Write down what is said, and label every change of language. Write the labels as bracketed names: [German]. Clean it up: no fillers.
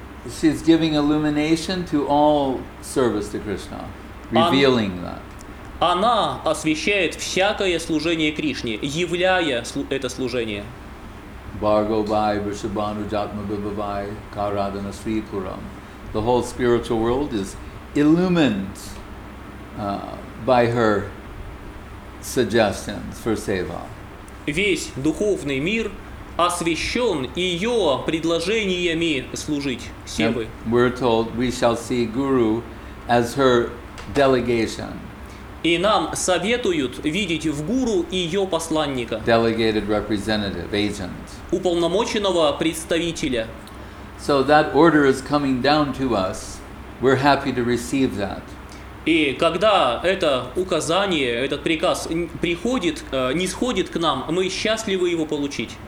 [English] She's giving illumination to all service to Krishna, revealing that. [Russian] Она освещает всякое служение Кришне, являя это служение. [Sanskrit] Bhargavai, Vrishabhanu, Jatma, Bhavavai, Karadana, Sripuram. [English] The whole spiritual world is illumined by her suggestions for seva. [Russian] Весь духовный мир освещен ее предложениями служить севы. [English] And we're told we shall see Guru as her delegation. [Russian] И нам советуют видеть в Гуру ее посланника. [English] Delegated representative, agent. [Russian] Уполномоченного представителя. [English] So that order is coming down to us. We're happy to receive that. [Russian] И когда это указание, этот приказ приходит, нисходит к нам, мы счастливы его получить.